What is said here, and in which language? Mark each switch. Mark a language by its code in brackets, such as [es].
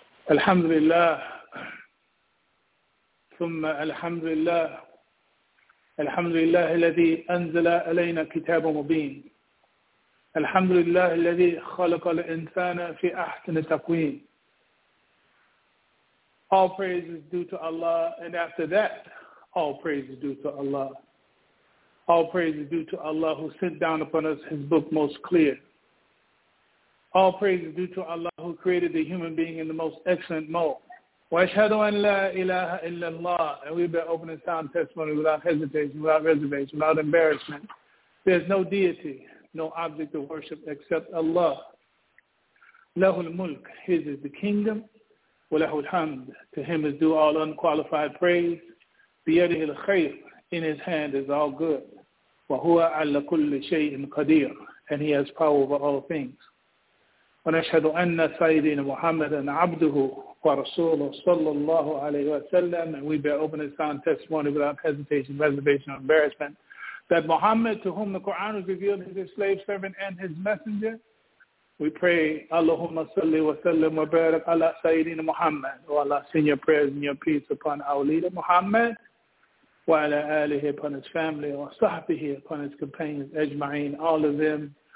[ar] الحمد لله ثم الحمد لله الحمد لله الذي أنزل علينا كتاب مبين الحمد لله الذي خلق الإنسان في أحسن تقويم. [en] All praise is due to Allah, and after that, all praise is due to Allah. All praise is due to Allah who sent down upon us His book most clear. All praise is due to Allah who created the human being in the most excellent mold. [ar] Wa ashhadu an la ilaha illallah. [en] And we bear open and sound testimony without hesitation, without reservation, without embarrassment. There's no deity, no object of worship except Allah. [ar] Lahul mulk. [en] His is the kingdom. [ar] Wa lahul hamd. [en] To him is due all unqualified praise. [ar] Bi yadihi al-khayr. [en] In his hand is all good. [ar] Wa huwa ala kulli shay'in qadir. [en] And he has power over all things. [ar] ونشهد أن سيدنا محمد عبده ورسوله صلى الله عليه وسلم. [en] And we bear open and sound testimony without hesitation, reservation, or embarrassment that Muhammad, to whom the Quran was revealed, is his slave servant and his messenger. We pray, [ar] Allahumma salli wa sallim wa barak ala sayyidina Muhammad. [en] O Allah, send your prayers and your peace upon our leader Muhammad [ar] wa ala alihi, [en] upon his family, [ar] wa sahbihi, [en] upon his companions, [ar] ajma'in, [en] all of them.